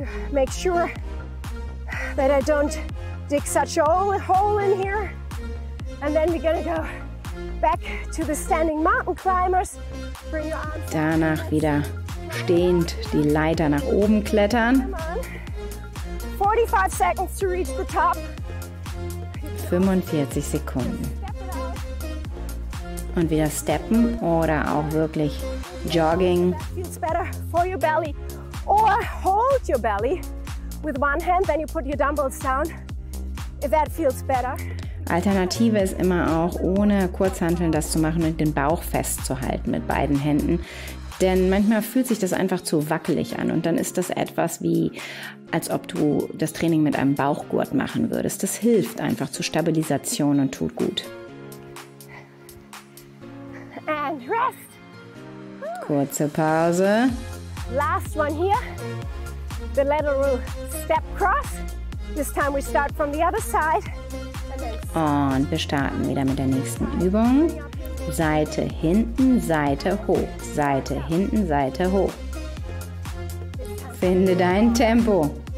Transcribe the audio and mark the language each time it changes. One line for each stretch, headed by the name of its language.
English: Make sure that I don't dig such a hole in here. And then we're gonna go back to the standing mountain climbers. Bring your arms.
German: Danach wieder stehend die Leiter nach oben klettern.
English: 45 seconds to reach the top.
German: 45 Sekunden. Und wieder steppen oder auch wirklich jogging.
English: Feels better for your belly. Or hold your belly with one hand, then you put your dumbbells down. If that feels better.
German: Alternative ist immer auch, ohne Kurzhanteln das zu machen und den Bauch festzuhalten mit beiden Händen. Denn manchmal fühlt sich das einfach zu wackelig an und dann ist das etwas wie, als ob du das Training mit einem Bauchgurt machen würdest. Das hilft einfach zur Stabilisation und tut gut.
English: and rest.
German: Kurze Pause.
English: Last one here. The lateral step cross. This time we start from the other side.
German: Und wir starten wieder mit der nächsten Übung. Seite hinten, Seite hoch. Seite hinten, Seite hoch. Finde dein Tempo.